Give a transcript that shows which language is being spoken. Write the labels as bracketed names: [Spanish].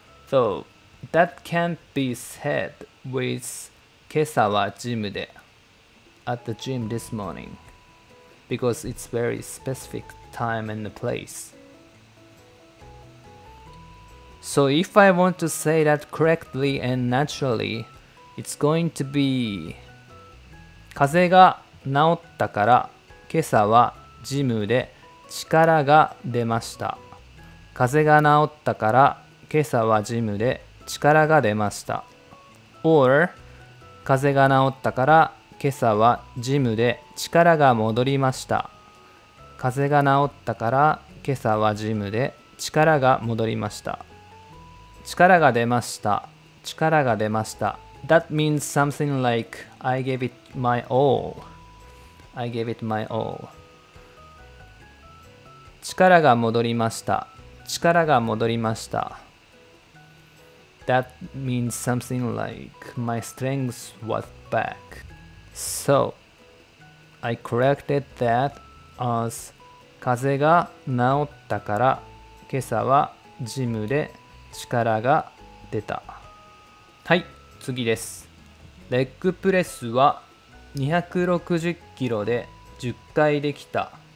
[English] So, that can't be said with [Japanese] 今朝はジムで [English] at the gym this morning because it's very specific time and place. So if I want to say that correctly and naturally, it's going to be [Japanese] 風邪が治ったから今朝はジムで力が出ました。風邪が治ったから今朝はジムで力が出ました。 [English] Or [Japanese] 風邪が治ったから今朝はジムで力が戻りました。風邪が治ったから今朝はジムで力が戻りました。力が出ました。力が出ました。 [English] That means something like I gave it my all. I gave it my all. [Japanese] 力が戻りました。力が戻りました。 [English] That means something like my strength was back. So, I corrected that as [Japanese] 風邪が治ったから今朝はジムで力が出た。はい、次です。レッグプレスは260キロで10回できた。